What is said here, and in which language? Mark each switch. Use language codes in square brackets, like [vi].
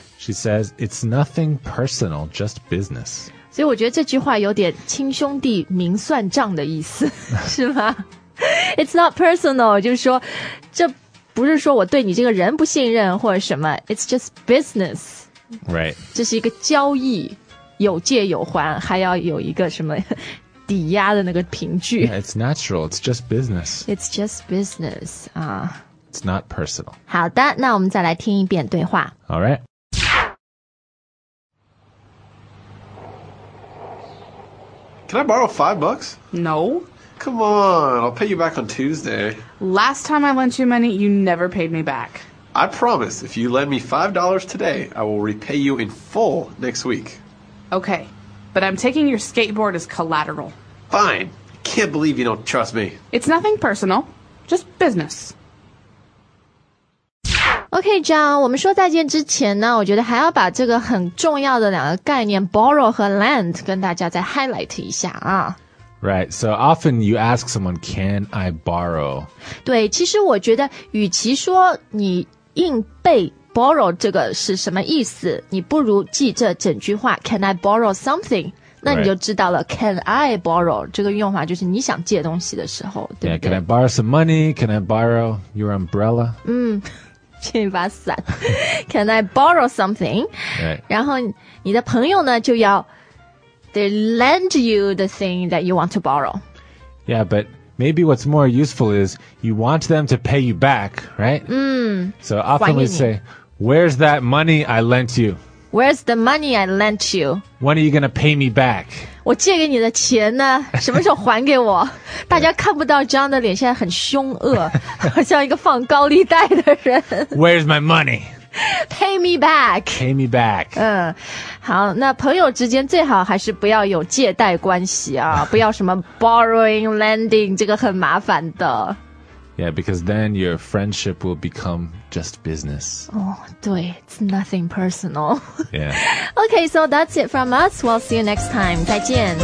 [en] She says it's nothing personal, just business. [zh] 所以我觉得这句话有点亲兄弟明算账的意思，是吗？ [en] It's not personal， [zh] 就是说这不是说我对你这个人不信任或者什么， [en] It's just business， right， [zh] 这是一个交易，有借有还，还要有一个什么抵押的那个凭据。 [en] yeah, It's natural， It's just business， It's just business、 It's not personal。 [zh] 好的，那我们再来听一遍对话。 [en] All right。 Can I borrow $5? No. Come on, I'll pay you back on Tuesday. Last time I lent you money, you never paid me back. I promise, if you lend me $5 today, I will repay you in full next week. Okay, but I'm taking your skateboard as collateral. Fine, I can't believe you don't trust me. It's nothing personal, just business. [zh] OK, John, 我们说再见之前呢，我觉得还要把这个很重要的两个概念 borrow 和 lend 跟大家再 highlight 一下啊。 [en] Right, so often you ask someone, can I borrow? [zh] 对，其实我觉得与其说你硬背 borrow 这个是什么意思，你不如记这整句话 [en] can I borrow something? [zh] 那你就知道了、 [en] right. Can I borrow [zh] 这个用法就是你想借东西的时候对不对 [en] yeah, Can I borrow some money? Can I borrow your umbrella? [zh] 请你把伞 [en] Can I borrow something?、 Right. [zh] 然后你的朋友呢就要 [en] They lend you the thing that you want to borrow. Yeah, but maybe what's more useful is you want them to pay you back, right?、So often we say, where's that money I lent you? Where's the money I lent you? When are you going to pay me back? [zh] 我借给你的钱呢什么时候还给我大家看不到 John 的脸现在很凶恶好像一个放高利贷的人 [en] Where's my money? Pay me back Pay me back [zh] 好那朋友之间最好还是不要有借贷关系啊不要什么 [en] borrowing, lending [zh] 这个很麻烦的 [en] Yeah, because then your friendship will become just business 哦、oh, 对 It's nothing personal Yeah Okay, so that's it from us. We'll see you next time. [zh] 再见。